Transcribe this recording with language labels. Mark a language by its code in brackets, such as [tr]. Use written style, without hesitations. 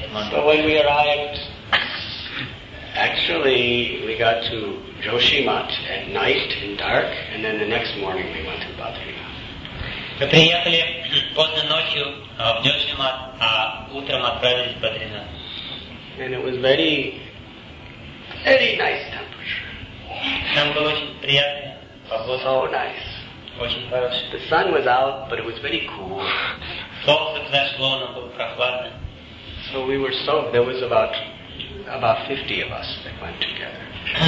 [en] So when we arrived, actually we got to Joshimath at night in dark, and then the next morning we went to Badrinath. [ru] Мы приехали поздно ночью в Джошимат, а утром отправились в Бадринат. [en] And it was very, very nice temperature. [ru] Там было очень приятно. Погода. [en] So nice. [ru] Очень хорошо. [en] The sun was out, but it was very cool. [ru] Солнце взошло, но было прохладно. [en] So we were so, there was about 50 of us that went together.